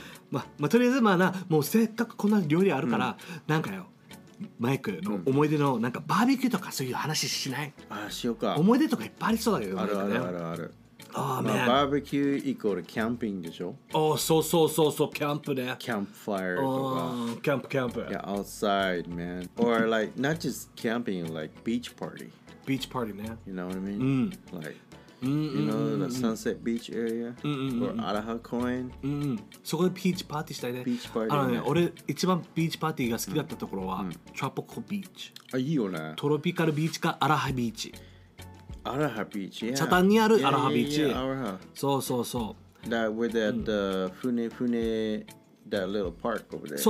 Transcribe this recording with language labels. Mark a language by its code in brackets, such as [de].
[ja] まあとりあえずまあな、もうせっかくこんな料理あるから、うん、なんかよ、マイクの思い出のなんかバーベキューとかそういう話しない？あ、しようか。思い出とかいっぱいありそうだけど。あるあるあるある。 [en] Oh, man. [ja] まあ、バーベキューイコールキャンピングでしょ。 Oh, そうキャンプね。キャンプファイアとか。キャンプキャンプ。 [en] Yeah, outside, man. Or like not just camping, like beach party. Beach party, man. You know what I mean? Mm. Like, you know the Sunset Beach area or Araha Coin. [ja] そこでビーチパーティーしたいね。ビーチパーティー。あのね、俺一番ビーチパーティーが好きだったところは、トロピカルビーチ。あ、いいよね。トロピカルビーチかアラハビーチ。アラハビーチ、チャタンにあるアラハビーチ、 [en] yeah. [ja] そう。 [en] That with that、船、that little park over there。